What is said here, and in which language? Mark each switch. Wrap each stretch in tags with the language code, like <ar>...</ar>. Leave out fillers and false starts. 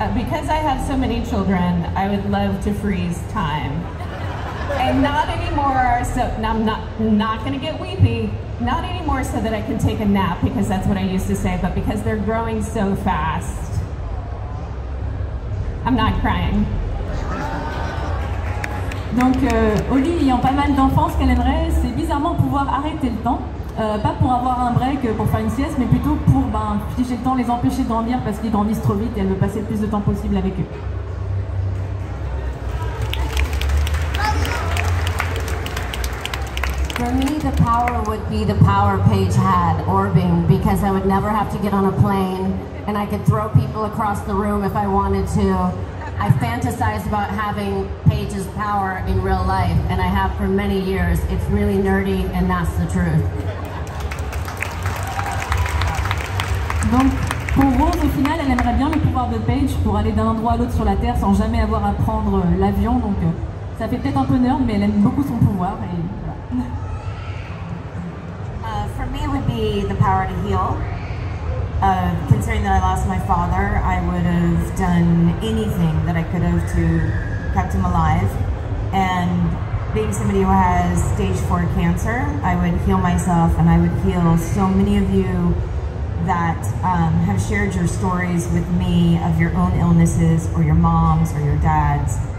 <en>Because I have so many children, I would love to freeze time. And not anymore, so I'm not gonna get weepy. Not anymore so that I can take a nap, because that's what I used to say, but because they're growing so fast. I'm not crying.</en> <fr>Donc, Oli ayant pas mal d'enfants, ce qu'elle aimerait, c'est bizarrement pouvoir arrêter le temps. Pas pour avoir un break, pour faire une sieste, mais plutôt pour figer le temps, les empêcher de grandir parce qu'ils grandissent trop vite et elle veut passer le plus de temps possible avec eux.</fr> <en>For me, the power would be the power Paige had, orbing, because I would never have to get on a plane and I could throw people across the room if I wanted to. I fantasize about having Paige's power in real life, and I have for many years. It's really nerdy, and that's the truth.</en> <fr>Donc, pour Rose, au final, elle aimerait bien le pouvoir de Paige pour aller d'un endroit à l'autre sur la Terre sans jamais avoir à prendre l'avion. Donc, ça fait peut-être un peu nerd, mais elle aime beaucoup son pouvoir. Et voilà.</fr> <en>For me, it would be the power to heal. Considering that I lost my father, I would have done anything that I could have to kept him alive. And being somebody who has stage 4 cancer, I would heal myself and I would heal so many of you that have shared your stories with me of your own illnesses or your mom's or your dad's.</en>